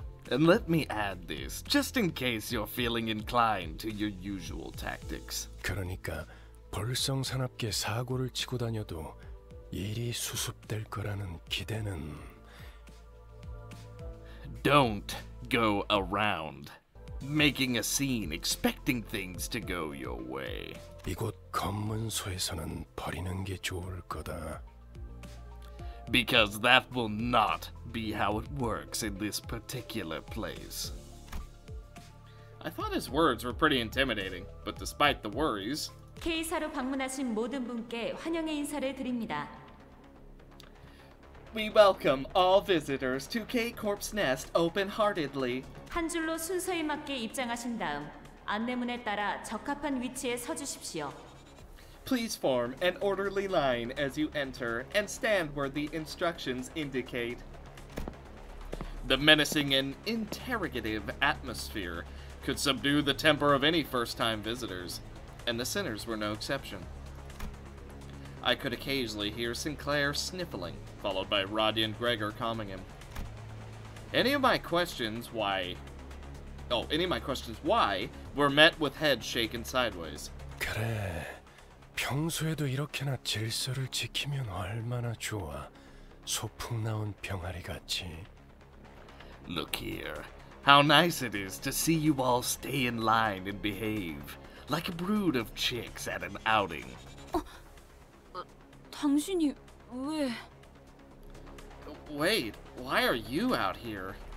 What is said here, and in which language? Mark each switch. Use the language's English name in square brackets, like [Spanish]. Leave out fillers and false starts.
[English] And let me add this, just in case you're feeling inclined to your usual tactics. [Korean] 그러니까 벌성사납게 사고를 치고 다녀도 일이 수습될 거라는 기대는... [English] Don't go around making a scene, expecting things to go your way. [Korean] 이곳 검문소에서는 버리는 게 좋을 거다. [English] Because that will not be how it works in this particular place. I thought his words were pretty intimidating, but despite the worries... [Korean] K사로 방문하신 모든 분께 환영의 인사를 드립니다. [English] We welcome all visitors to K-Corp's Nest open-heartedly. [Korean] 한 줄로 순서에 맞게 입장하신 다음 안내문에 따라 적합한 위치에 서주십시오. [English] Please form an orderly line as you enter and stand where the instructions indicate. The menacing and interrogative atmosphere could subdue the temper of any first-time visitors, and the sinners were no exception. I could occasionally hear Sinclair sniffling, followed by Roddy and Gregor calming him. Any of my questions why, were met with heads shaken sideways. [Korean] 그래. 평소에도 이렇게나 질서를 지키면 얼마나 좋아. 소풍 나온 병아리 같이. [English] Look here. How nice it is to see you all stay in line and behave. Like a brood of chicks at an outing. [Korean] 당신이 왜... [English] Wait, why are you out here?